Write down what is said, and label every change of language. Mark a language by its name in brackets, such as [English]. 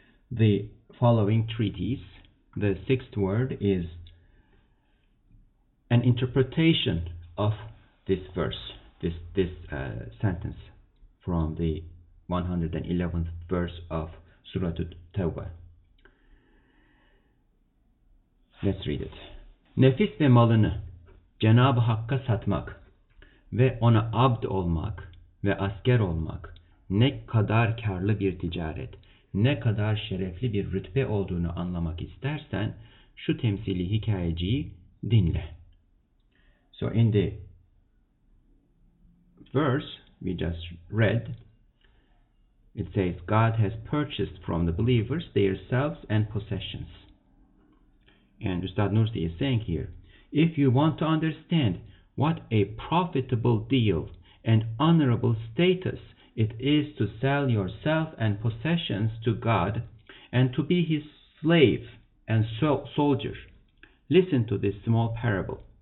[English] The following treatise, the sixth word, is an interpretation of this verse, this sentence from the 111th verse of Surah At-Tawbah. Let's read it. [Turkish] Nefis ve malını Cenab-ı Hakk'a satmak ve ona abd olmak ve asker olmak ne kadar karlı bir ticaret, ne kadar şerefli bir rütbe olduğunu anlamak istersen şu temsili hikayeciyi dinle. [English] So in the verse we just read, it says God has purchased from the believers their selves and possessions. And Üstad Nursi is saying here, if you want to understand what a profitable deal and honorable status it is to sell yourself and possessions to God and to be his slave and soldier, listen to this small parable.